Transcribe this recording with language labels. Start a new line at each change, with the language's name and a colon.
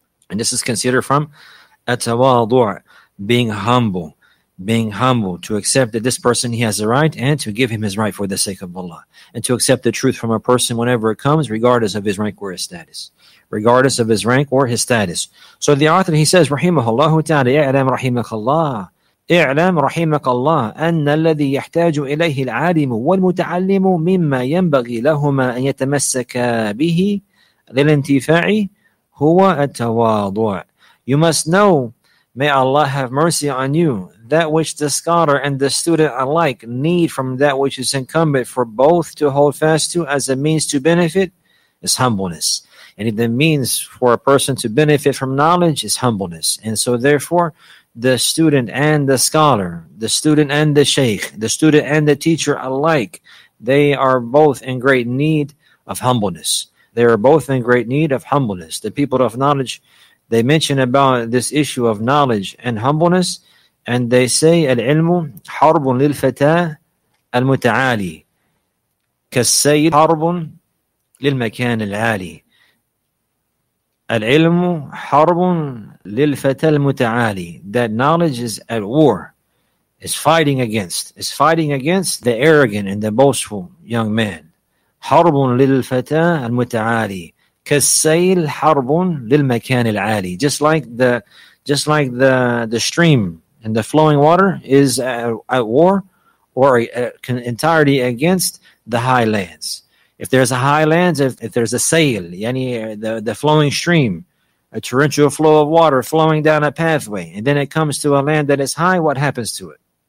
English: And this is considered from a tawadu', being humble, to accept that this person, he has a right, and to give him his right for the sake of Allah, and to accept the truth from a person whenever it comes, regardless of his rank or his status. Regardless of his rank or his status. So the author, he says, Rahimahullahu ta'ala,
Arabic: I'lam rahimakallah. اعلم رحمك الله أن الذي يحتاج إليه العالم والمتعلم مما ينبغي لهما أن يتمسك به للانتفاع هو التواضع.
English: You must know, may Allah have mercy on you, that which the scholar and the student alike need from that which is incumbent for both to hold fast to as a means to benefit is humbleness. And the means for a person to benefit from knowledge is humbleness. And so therefore, the student and the scholar, the student and the sheikh, the student and the teacher alike, they are both in great need of humbleness. They are both in great need of humbleness. The people of knowledge, they mention about this issue of knowledge and humbleness, and they say,
Arabic: Al-ilmu harbun lil-fata al-muta'ali, kas-sayyid harbun lil-makan al-ali. العلم حرب للفتى المتعالي.
English: That knowledge is at war, is fighting against the arrogant and the boastful young man.
Arabic: حرب للفتى المتعالي كالسيل حرب للمكان العالي.
English: Just like the stream and the flowing water is at war or entirely against the high lands. If there's a high lands, if there's a sail, yani the flowing stream, a torrential flow of water flowing down a pathway, and then it comes to a land that is high, what happens to it?